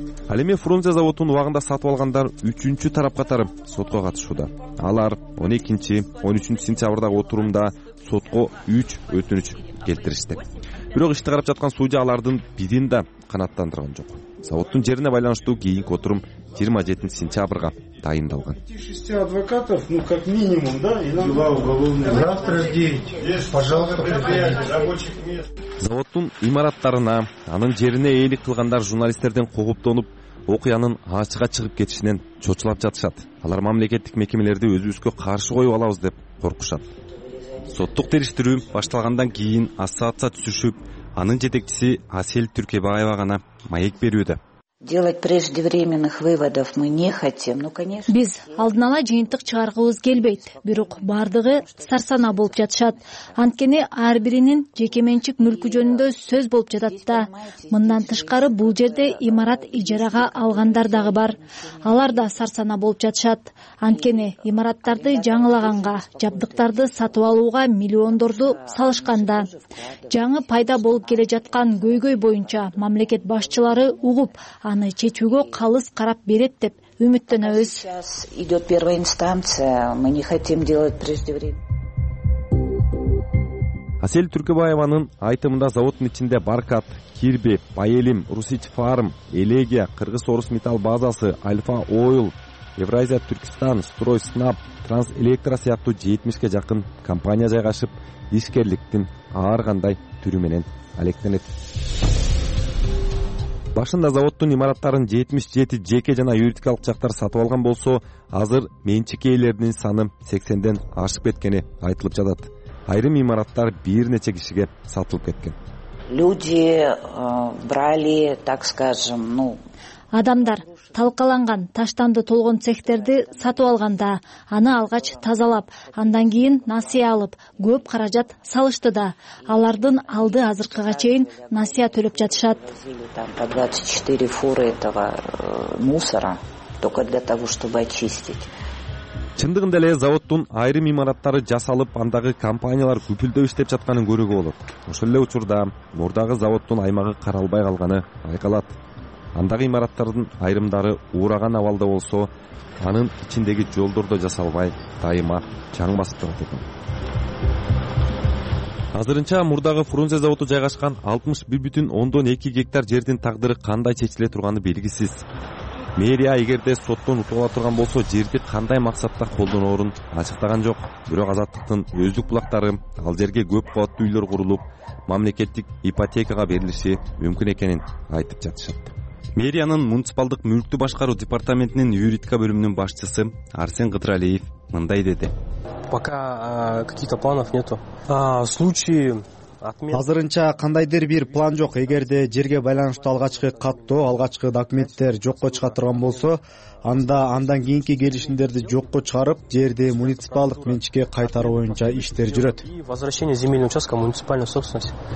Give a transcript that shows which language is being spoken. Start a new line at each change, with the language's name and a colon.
Kyrgyz: Ал эми Фрунзе заводун убагында сатып алгандар үчүнчү тарап катары сотко катышууда. Алар 12-13 сентябрдагы отурумда сотко 3 өтүнүч келтиришти. Бирок ишти карап жаткан судья алардын бирин да канааттандырган жок. Заводтун жерине байланыштуу кийинки отурум 27 сентябрга дайындалган.
Russian: 6 адвокатов, ну как минимум, да? Завтра 9.
Kyrgyz: Заводтун имараттарына, анын жерине ээлик кылгандар журналисттерден кооптонуп, окуянын ачыга чыгып кетишинен чочулап жатышат. Алар мамлекеттик мекемелерди өзүбүзгө каршы коюп алабыз деп коркушат. Соттук териштирүү башталгандан кийин ассоциация түзүшүп, анын жетекчиси Асель Түркебаева гана маек берүүдө.
Russian: Делать преждевременных выводов мы не хотим, но, конечно.
Kyrgyz: Биз алдын ала жыйынтык чыгаргыбыз келбейт, бирок бардыгы сарсана болуп жатышат. Анткени ар биринин жеке менчик мүлкү жөнүндө сөз болуп жатат да. Мындан тышкары бул жерде имарат ижарага алгандар дагы бар. Алар да сарсана болуп жатышат. Анткени имараттарды жаңылаганга, жабдыктарды сатып алууга миллиондорду салышканда, жаңы пайда болуп келе жаткан көйгөй боюнча мамлекет башчылары угуп, аны чечүүгө калыс карап берет деп үмүттөнөбүз.
Russian: Сейчас идет первая инстанция, мы не хотим делать преждевременно.
Kyrgyz: Асель Түркебаеванын айтымында заводтун ичинде Баркат, Кирби, Паэлим, Русич Фарм, Элегия, Кыргыз-Орус Металл базасы, Альфа Ойл, Евразия Түркстан, Строй Снап, Транс Электро сыяктуу 70ге жакын компания жайгашып, ишкерликтин ар кандай түрү менен алектенет. Башында заводтун имараттарын 77 жеке жана юридикалык жактар сатып алган болсо, азыр менчик ээлеринин саны 80ден ашып кеткени айтылып жатат. Айрым имараттар бир нече кишиге сатылып кеткен.
Russian: Люди брали, так скажем, ну,
Kyrgyz: адамдар талкаланган таштанды толгон цехтерди сатып алганда, аны алгач тазалап, андан кийин насыя алып, көп каражат салышты да. Алардын алды азыркыга чейин насыя төлөп жатышат.
Russian: Там по 24 фуры этого мусора только для того, чтобы очистить.
Kyrgyz: Чындыгында эле заводтун айрым имараттары жасалып, андагы компаниялар күпүлдөп иштеп жатканын көрүүгө болот. Ошол эле учурда мурдагы заводтун аймагы каралбай калганы айкалат. Андагы имараттардын айрымдары ураган абалда болсо, анын ичиндеги жолдор да жасалбай, дайыма чаң басып турат экен. Азырынча мурдагы Фрунзе заводу жайгашкан 61,2 гектар жердин тагдыры кандай чечиле турганы белгисиз. Мэрия эгерде соттон утула турган болсо, жерди кандай максатта колдонорун ачыктаган жок. Бирок азаттыктын өздүк булактары ал жерге көп кабаттуу үйлөр курулуп, мамлекеттик ипотекага берилиши мүмкүн экенин айтып жатышат. Мэриянын муниципалдык мүлктү башкаруу департаментинин юридика бөлүмүнүн башчысы Арсен Кытыралиев мындай деди.
Russian: Пока каких-то планов нету.
Kyrgyz: Азырынча кандайдыр бир план жок. Эгерде жерге байланыштуу алгачкы каттоо, алгачкы документтер жокко чыга турган болсо, анда андан кийинки келишимдерди жокко чыгарып, жерди муниципалдык менчикке кайтаруу боюнча иштер жүрөт.
Russian: Возвращение земельного участка в муниципальную собственность.